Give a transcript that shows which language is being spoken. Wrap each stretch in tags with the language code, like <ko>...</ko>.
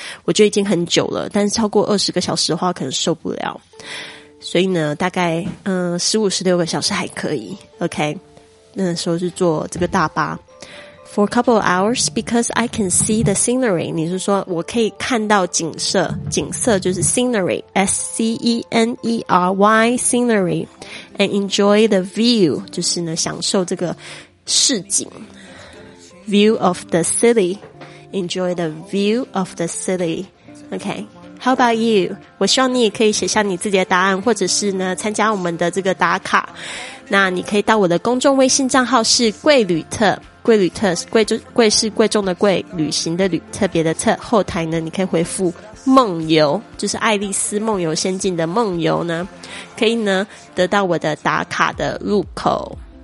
<zh>我觉得已经很久了，但是超过20个小时的话可能受不了。所以呢大概15-16个小时还可以， OK, 那时候是坐这个大巴。</zh> <en>For a couple of hours, because I can see the scenery.</en> <zh>你是说我可以看到景色，景色就是 scenery, S-C-E-N-E-R-Y, scenery,</zh> <en>and enjoy the view,</en> <zh>就是呢享受这个市景。</zh> <en>View of the city, enjoy the view of the city. Okay. How about you?</en> <zh>我希望你也可以写下你自己的答案，或者是呢参加我们的这个打卡。那你可以到我的公众微信账号是贵旅特，贵是贵重的贵，旅行的旅，特别的特。后台呢你可以回复梦游，就是爱丽丝梦游仙境的梦游呢，可以呢得到我的打卡的入口。</zh>